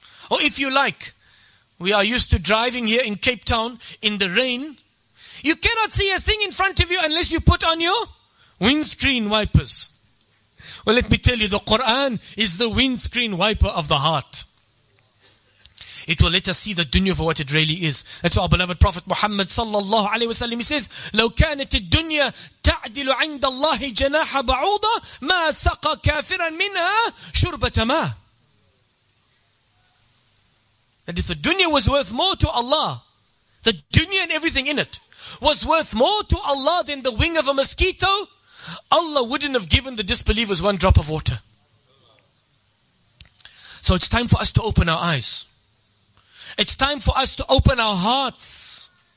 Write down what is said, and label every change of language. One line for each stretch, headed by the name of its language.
English: Or if you like, we are used to driving here in Cape Town in the rain. You cannot see a thing in front of you unless you put on your windscreen wipers. Well, let me tell you, the Quran is the windscreen wiper of the heart. It will let us see the dunya for what it really is. That's what our beloved Prophet Muhammad sallallahu alaihi wasallam says,
Arabic: لو كانت الدنيا تعدل عند الله جناح بعوضة ما سقى كافرا منها شربة ماء.
English: That if the dunya was worth more to Allah, the dunya and everything in it was worth more to Allah than the wing of a mosquito, Allah wouldn't have given the disbelievers one drop of water. So it's time for us to open our eyes. It's time for us to open our hearts.